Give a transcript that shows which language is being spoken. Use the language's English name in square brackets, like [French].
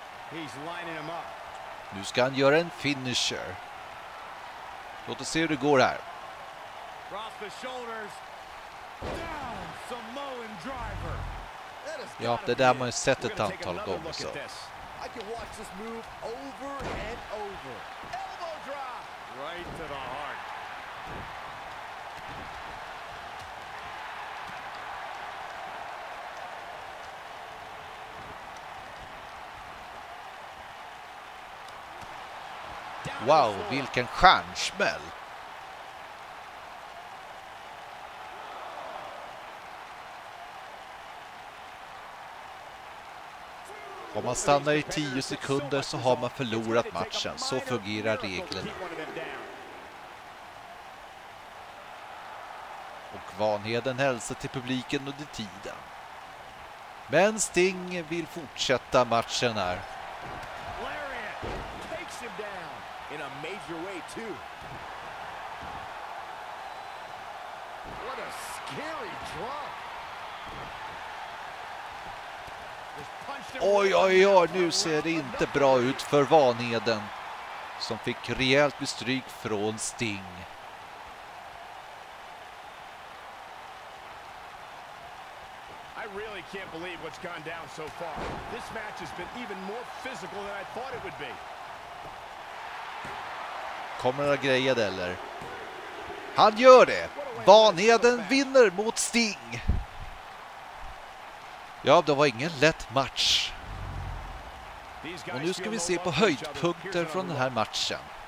[English] He's lining him up. [Swedish] Nu ska han göra en finisher. Låt oss se hur det går här. [English] Cross the shoulders. Down, Samoan driver. [Swedish] Ja, det där man ju sett ett antal gånger så. [English] I can watch this move over and over. Elbow drop. Right to the heart. [Swedish] Wow, vilken stjärnsmäll. Om man stannar i 10 sekunder så har man förlorat matchen. Så fungerar reglerna. Och Vanheden hälsar till publiken under tiden. Men Sting vill fortsätta matchen här. [English] Lariat takes him down in a major way too. What a scary drop. [Swedish] Oj, oj, oj, nu ser det inte bra ut för Vanheden som fick rejält bestryk från Sting. [English] I really can't believe what's gone down so far. This match has been even more physical than I thought it would be. [Swedish] Kommer några grejer eller? Han gör det! Vanheden vinner mot Sting! Ja, det var ingen lätt match. Och nu ska vi se på höjdpunkter från den här matchen.